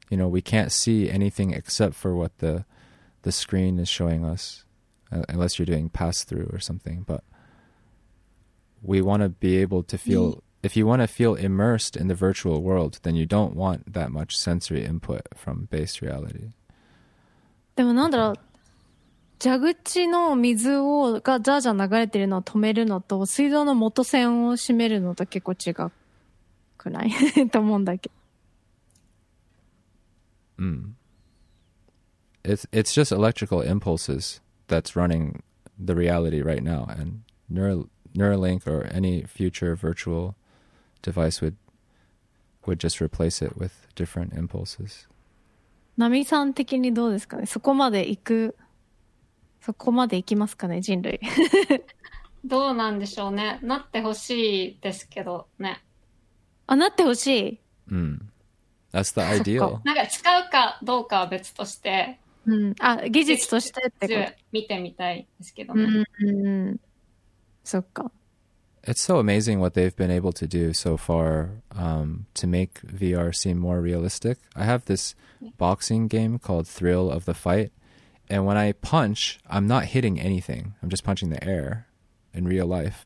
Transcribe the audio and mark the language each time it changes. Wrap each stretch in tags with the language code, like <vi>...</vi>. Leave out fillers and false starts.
<en>You know, we can't see anything except for what the screen is showing us, unless you're doing pass through or something. But we want to be able to feel. If you want to feel immersed in the virtual world, then you don't want that much sensory input from base reality.</en> <ja>でもなんだろう、蛇口の水をがジャージャー流れてるのを止めるのと水道の元栓を閉めるのと結構違うくないと思うんだけど。</ja> <en>It's just electrical impulses that's running the reality right now, and Neuralink or any future virtual device would just replace it with different impulses.</en> <ja>ナミさん的にどうですかね。そこまで行く、そこまで行きますかね、人類。どうなんでしょうね。なってほしいですけどね。あ、なってほしい。うん。</ja> <en>That's the ideal。</en> <ja>なんか使うかどうかは別として。うん。あ、技術としてってこと。見てみたいですけどね。うん。そっか。</ja> <en>It's so amazing what they've been able to do so far to make VR seem more realistic. I have this boxing game called Thrill of the Fight. And when I punch, I'm not hitting anything. I'm just punching the air in real life.</en>